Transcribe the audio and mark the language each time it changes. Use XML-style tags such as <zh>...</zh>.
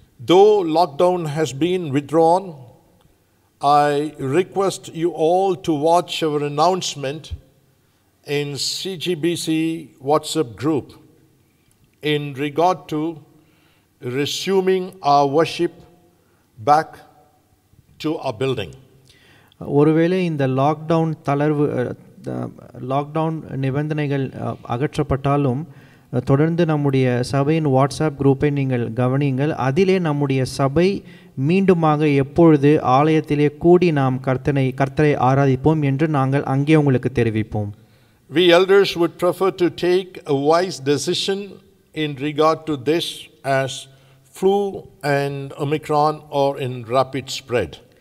<en>Though lockdown has been withdrawn, I request you all to watch our announcement in CGBC WhatsApp group in regard to resuming our worship back to our building.</en> <ta>ஒருவேளை இந்த lockdown தளர்வு lockdown நிபந்தனைகள் அகற்றப்பட்டாலும் தொடர்ந்து நம்முடைய சபையின் WhatsApp குரூப்பை நீங்கள் கவனியுங்கள். அதிலே நம்முடைய சபை மீண்டுமாக எப்பொழுது ஆலயத்திலே கூடி நாம் கர்த்தரை ஆராதிப்போம் என்று நாங்கள் அங்கே உங்களுக்கு தெரிவிப்போம்.</ta> <en>We elders would prefer to take a wise decision in regard to this as flu and Omicron are in rapid spread.</en>